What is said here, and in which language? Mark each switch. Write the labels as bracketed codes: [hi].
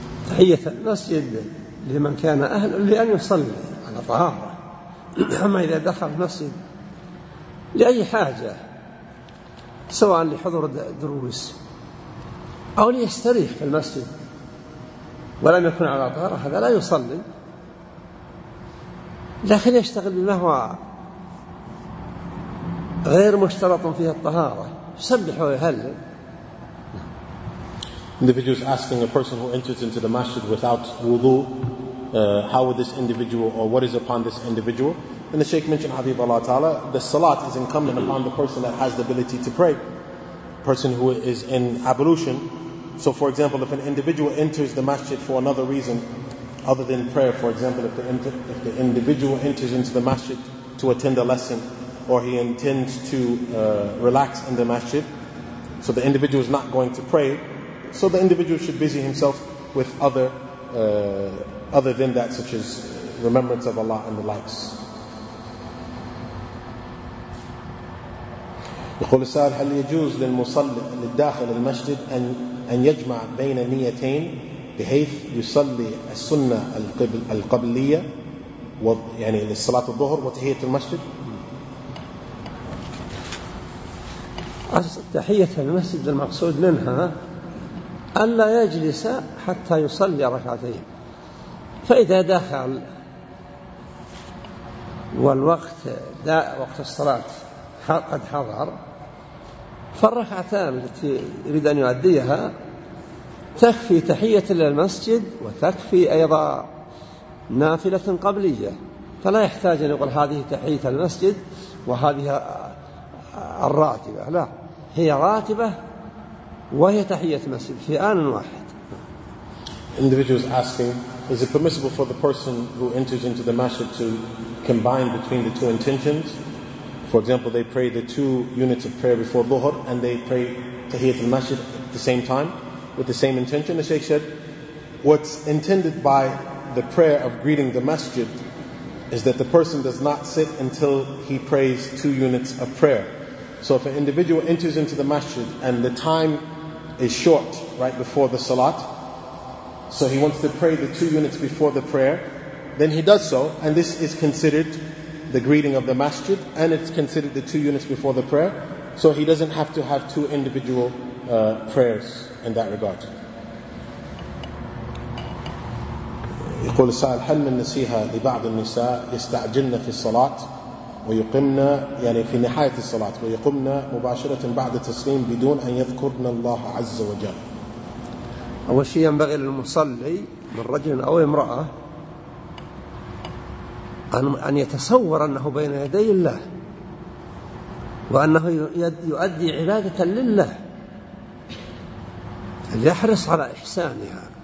[ar] تحية المسجد لمن كان أهل لأن يصلي على طهارة، أما إذا دخل المسجد لأي حاجة سواء لحضور دروس أو ليستريح في المسجد ولم يكن على طهارة هذا لا يصلي، لكن يشتغل بما هو غير مشترط فيه الطهارة يسبح ويهلل. [en] Individual is asking, a person who enters into the masjid without wudu, how would this individual, or what is upon this individual? And the Shaykh mentioned, Habibullah Ta'ala, the salat is incumbent upon the person that has the ability to pray, person who is in ablution. So for example, if an individual enters the masjid for another reason other than prayer, for example, if the individual enters into the masjid to attend a lesson, or he intends to relax in the masjid, so the individual is not going to pray, so the individual should busy himself with other than that, such as remembrance of Allah and the likes. [ar] يقول السائل هل يجوز للمصلي للداخل المسجد أن يجمع بين نيتين بحيث يصلي السنة القبلية يعني للصلاة الظهر وتحية المسجد؟ تحية المسجد المقصود منها ألا يجلس حتى يصلي ركعتين، فإذا دخل والوقت وقت الصلاة قد حضر فالركعتان التي يريد أن يؤديها تكفي تحية للمسجد وتكفي أيضا نافلة قبلية، فلا يحتاج أن يقول هذه تحية المسجد وهذه الراتبة، لا، هي راتبة وهي تحية المسجد في آن واحد. [en] Individuals asking, is it permissible for the person who enters into the masjid to combine between the two intentions? For example, they pray the two units of prayer before Dhuhr and they pray Tahiyyat al-Masjid at the same time with the same intention. The Shaykh said, what's intended by the prayer of greeting the masjid is that the person does not sit until he prays two units of prayer. So if an individual enters into the masjid and the time is short right before the salat, so he wants to pray the 2 units before the prayer, then he does so, and this is considered the greeting of the masjid, and it's considered the 2 units before the prayer, so he doesn't have to have two individual prayers in that regard. [ar] يقول السائل هل من نصيحة لبعض النساء يستعجلن في الصلاة ويقمن يعني في نهاية الصلاة ويقمن مباشرة بعد التسليم بدون أن يذكرن الله عز وجل. أول شيء ينبغي للمصلي من رجل أو امرأة أن يتصور أنه بين يدي الله وأنه يؤدي عبادة لله ليحرص على إحسانها